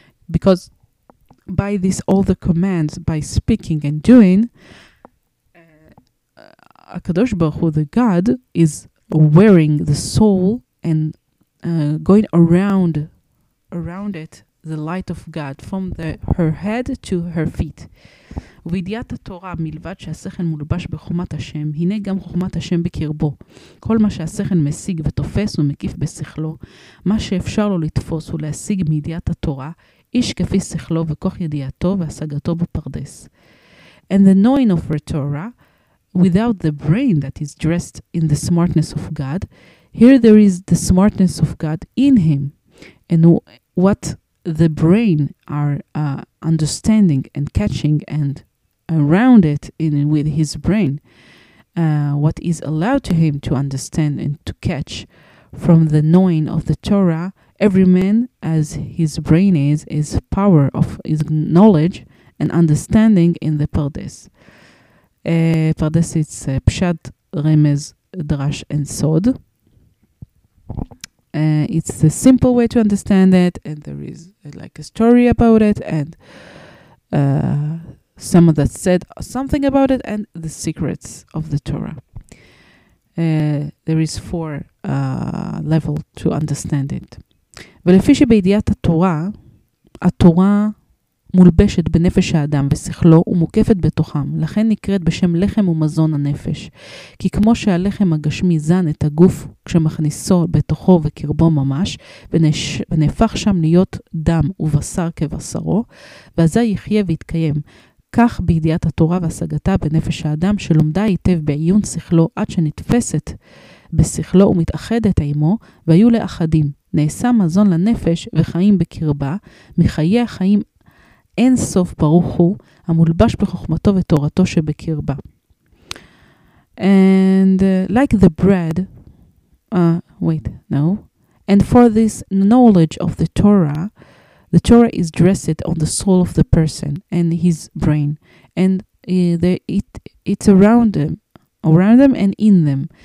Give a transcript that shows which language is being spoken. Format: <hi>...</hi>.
<en>Because by this, all the commands, by speaking and doing, HaKadosh Baruch Hu, the God, is wearing the soul and going around it, the light of God, from her head to her feet.</en> <he>וידיעת התורה מלבד שהשכל מולבש בחומת השם, הנה גם חומת השם בקרבו. כל מה שהשכל משיג ותופס ומקיף בשכלו, מה שאפשר לו לתפוס ולהשיג מידיעת התורה, איש כפי שכלו וכוח ידיעתו והשגתו בפרדס.</he> <en>And the knowing of the Torah, without the brain that is dressed in the smartness of God, here there is the smartness of God in him. And what the brain are understanding and catching and around it in with his brain, what is allowed to him to understand and to catch from the knowing of the Torah, every man as his brain is power of his knowledge and understanding in the Pardes. Pardes, it's Pshat, Remez, Drash, and Sod. It's the simple way to understand it, and there is like a story about it, and someone that said something about it, and the secrets of the Torah. There is four level to understand it.</en> <he>ולפי שבידיעת התורה, התורה מולבשת בנפש האדם ושכלו ומוקפת בתוכם, לכן נקראת בשם לחם ומזון הנפש. כי כמו שהלחם הגשמי זן את הגוף כשמכניסו בתוכו וקרבו ממש, ונהפך שם להיות דם ובשר כבשרו, ואזי יחיה ויתקיים. כך בידיעת התורה והשגתה בנפש האדם שלומדה היטב בעיון שכלו עד שנתפסת בשכלו ומתאחדת עמו, והיו לאחדים. נעשה מזון לנפש וחיים בקרבה, מחיי החיים עדים, אין סוף ברוך הוא, המולבש בחוכמתו ותורתו שבקרבה.</he> <en>And like the bread, and for this knowledge of the Torah is dressed on the soul of the person and his brain. And it's around them and in them.</en>